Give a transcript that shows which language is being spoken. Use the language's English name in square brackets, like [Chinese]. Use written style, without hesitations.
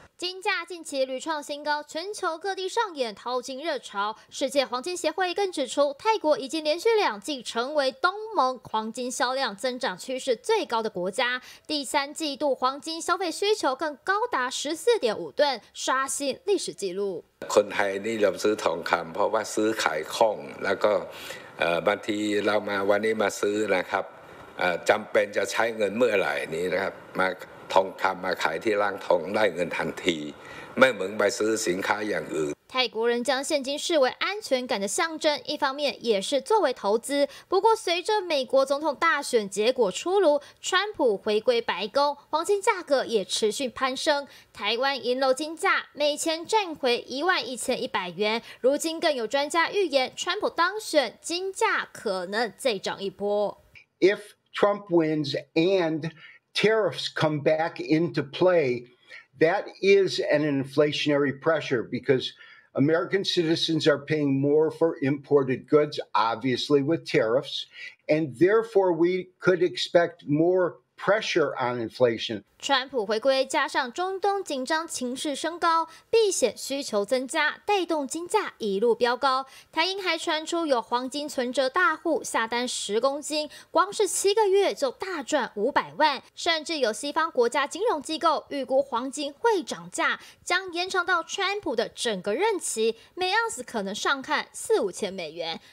[Chinese] 金价近期屡创新高，全球各地上演淘金热潮。世界黄金协会更指出，泰国已经连续两季成为东盟黄金销量增长趋势最高的国家，第三季度黄金消费需求更高达14.5吨，刷新历史纪录。 [Thai] คนไทยนี่เริ่มซื้อทองคำเพราะว่าซื้อขายคล่องแล้วก็บางทีเรามาวันนี้มาซื้อนะครับจำเป็นจะใช้เงินเมื่อไหร่นี้นะครับมาทองคำมาขายที่ร้านทองได้เงินทันทีไม่เหมือนไปซื้อสินค้าอย่างอื่น。 [Chinese] 泰国人将现金视为安全感的象征，一方面也是作为投资。不过随着美国总统大选结果出炉，川普回归白宫，黄金价格也持续攀升。台湾银鎏金价每钱站回11100元，如今更有专家预言，川普当选金价可能再涨一波。 [English] IfTrump wins and tariffs come back into play, that is an inflationary pressure because American citizens are paying more for imported goods, obviously with tariffs, and therefore we could expect more pressure on inflation. [Chinese] 川普回归加上中东紧张情势升高，避险需求增加，带动金价一路飙高。台银还传出有黄金存折大户下单10公斤，光是7个月就大赚500万，甚至有西方国家金融机构预估黄金会涨价，将延长到川普的整个任期，每盎司可能上看4000至5000美元。